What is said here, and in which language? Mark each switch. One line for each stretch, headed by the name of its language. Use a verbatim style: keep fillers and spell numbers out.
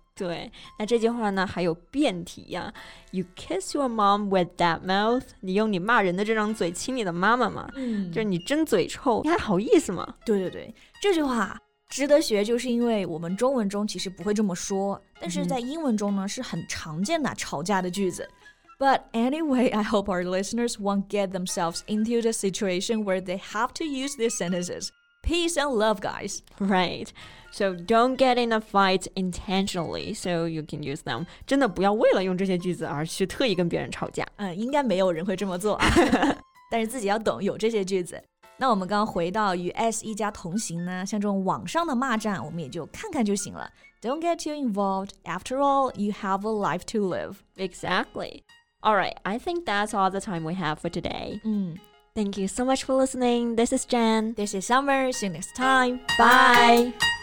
Chinese: 对那这句话呢还有辩题呀、啊、
English: You kiss your mom with that mouth
Chinese: 你用你骂人的这张嘴亲你的妈妈嘛、嗯、就是你真嘴臭你还好意思吗对对对这句话值得学就是因为我们中文中其实不会这么说但是在英文中呢、嗯、是很常见的吵架的句子
English: But anyway, I hope our listeners won't get themselves into the situation where they have to use these sentences. Peace and love, guys. Right. So don't get in a fight intentionally, so you can use them.
Chinese: 真的不要为了用这些句子而去特意跟别人吵架。嗯，应该没有人会这么做啊。但是自己要懂有这些句子。那我们刚刚回到与 S 一家同行呢，像这种网上的骂战，我们也就看看就行了。
English: Don't get too involved. After all, you have a life to live. Exactly. Alright, I think that's all the time we have for today. 嗯 Thank you so much for listening. This is Jen. This is Summer. See you next time. Bye!